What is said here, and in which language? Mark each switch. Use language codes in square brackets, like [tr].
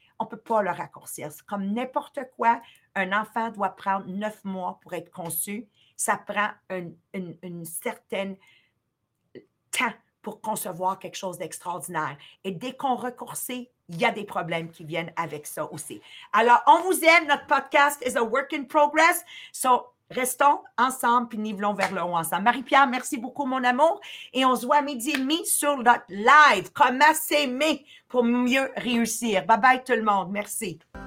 [fr] On ne peut pas le raccourcir. C'est comme n'importe quoi. Un enfant doit prendre 9 mois pour être conçu. Ça prend une certaine temps pour concevoir quelque chose d'extraordinaire. Et dès qu'on raccourcit, il y a des problèmes qui viennent avec ça aussi. Alors, on vous aime. [en] Notre podcast is a work in progress. [fr] So, restons ensemble puis nivelons vers le haut ensemble. Marie-Pierre, merci beaucoup, mon amour. Et on se voit à 12h30 sur notre live. Comment s'aimer pour mieux réussir. Bye-bye tout le monde. Merci.